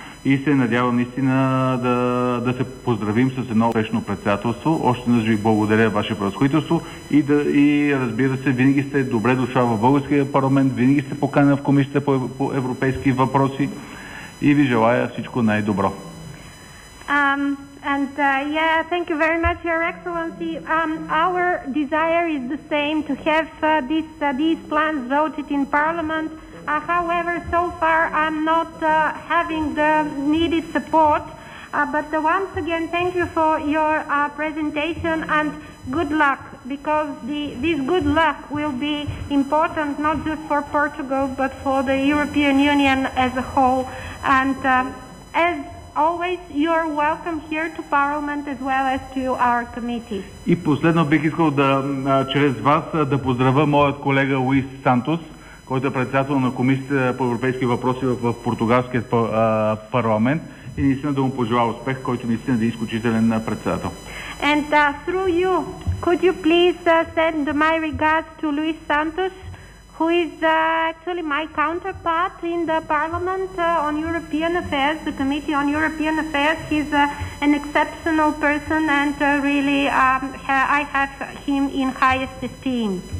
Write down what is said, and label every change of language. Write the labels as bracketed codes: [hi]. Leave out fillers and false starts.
[bg] И се надявам наистина да се поздравим с едно успешно председателство. Още наш ви благодаря, ваше превъзходителство. И разбира се, винаги сте добре дошла в българския парламент, винаги сте поканена в комисията по европейски въпроси. И ви желая всичко най-добро. [en] And yeah, thank you very much, Your Excellency. Our desire is the same, to have these plans voted in Parliament. However, so far I'm not having the needed support. But once again, thank you for your presentation and good luck, because this good luck will be important not just for Portugal, but for the European Union as a whole. And as always, you're welcome here to Parliament as well as to our committee. [bg] И последно бих искал да, чрез вас, да поздравя моят колега Луис Сантос, който е председател на Комисията по европейски въпроси в португалския парламент, и наистина да му пожелава успех, който наистина да е изключителен председател. [en] And through you, could you please send my regards to Luis Santos, who is actually my counterpart in the Parliament on European Affairs, the Committee on European Affairs. He's an exceptional person and really I have him in highest esteem.